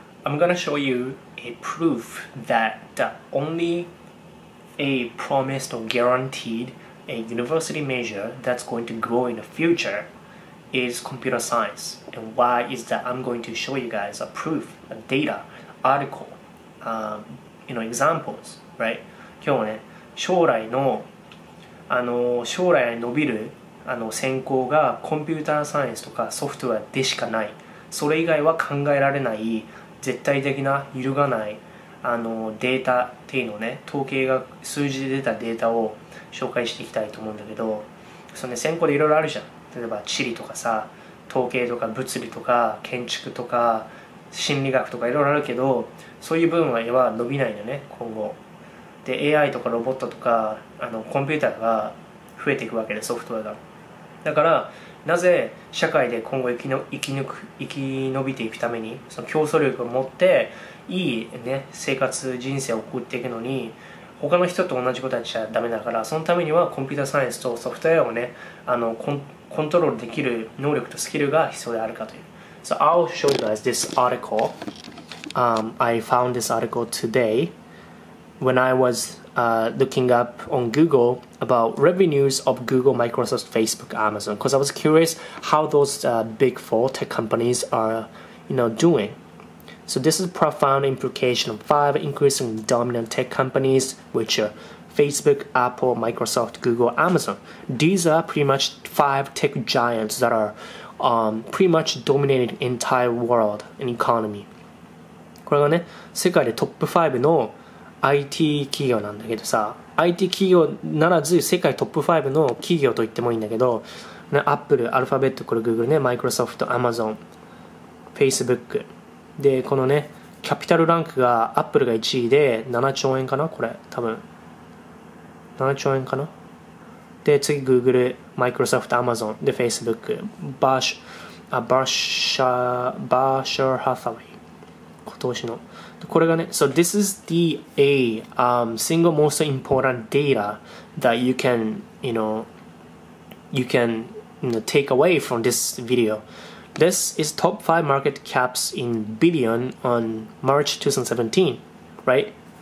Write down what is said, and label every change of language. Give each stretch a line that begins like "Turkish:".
English: I'm gonna show you a proof that only a promised or guaranteed a university major that's going to grow in the future is computer science. And why is that? I'm going to show you guys a proof, a data, article, you know, examples, right?
Japanese: 今日はね、将来の、将来伸びる専攻がコンピューターサイエンスとかソフトウェアでしかない。それ以外は考えられない、絶対的な揺るがないデータっていうのをね、統計が数字で出たデータを紹介していきたいと思うんだけど、そのね、専攻でいろいろあるじゃん。例えば地理とかさ、統計とか物理とか建築とか心理学とかいろいろあるけど、そういう部分は伸びないんだよね、今後。で、AI とかロボットとかコンピューターが増えていくわけで、ソフトウェアが。だから、なぜ社会で今後生き延びていくために、その競争力を持っていい、ね、生活人生を送っていくのに、他の人と同じことやっちゃダメだから、そのためにはコンピューターサイエンスとソフトウェアをね、コントロールできる能力とスキルが必要であるかという。
English: So I'll show you guys this article. I found this article today when I was looking up on Google about revenues of Google, Microsoft, Facebook, Amazon, because I was curious how those big four tech companies are, you know, doing. So this is a profound implication of five increasing dominant tech companies, which are Facebook, Apple, Microsoft, Google, Amazon. These are pretty much five tech giants that are pretty much dominating the entire world and economy.
Japanese: これがね、世界でトップ5のIT 企業なんだけどさ、 IT 企業ならず世界トップ5の企業と言ってもいいんだけど、アップル、アルファベット、これ Google ね、マイクロソフト、アマゾン、フェイスブックで、このね、キャピタルランクがアップルが1位で7兆円かな、これ多分7兆円かな。で次 Google、マイクロソフト、アマゾンで、フェイスブック、バーシャーハサウェイ今年の。これがね、
English: so this is the a single most important data that you can, you know, you can, you know, take away from this video. This is top 5 market caps in billion on March 2017, right?